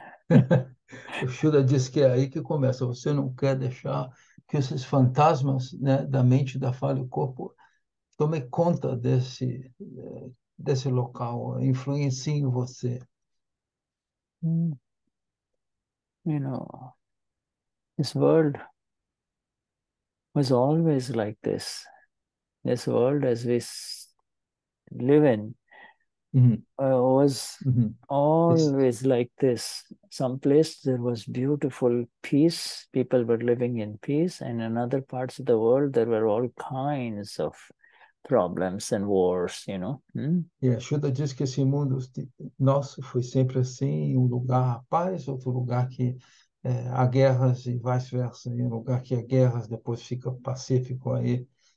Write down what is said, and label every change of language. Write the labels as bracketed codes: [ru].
[pt] O Shuddha diz que é aí que começa. Você não quer deixar que esses fantasmas, né, da mente, da fala e do corpo tomem conta desse local, influenciem você. [en] You know, this world was always like this. This world as we live in was always like this. Some place there was beautiful peace, people were living in peace, and in other parts of the world there were all kinds of problems and wars, you know. [pt] E a Shuddha diz que esse mundo nosso foi sempre assim, um lugar a paz, outro lugar que há guerras e vice-versa, um lugar que há guerras, depois fica pacífico aí.